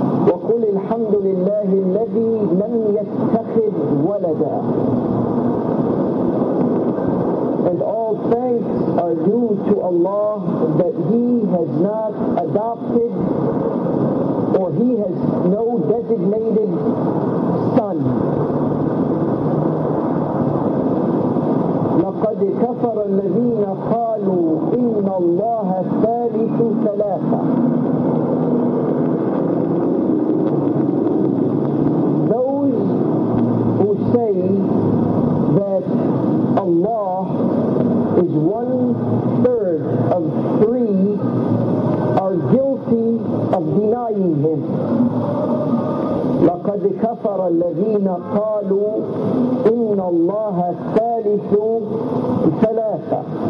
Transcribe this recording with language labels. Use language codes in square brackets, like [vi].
[ar] وقل الحمد لله الذي لم يتخذ ولدا. [en] And all thanks are due to Allah that He has not adopted, or He has no designated son. [ar] لقد كفر الذين قالوا إن الله ثالث ثلاثة. [en] Those who say that Allah is one third of three are guilty of denying Him. [ar] لقد كفر الذين قالوا إن الله ثالث ثلاثة.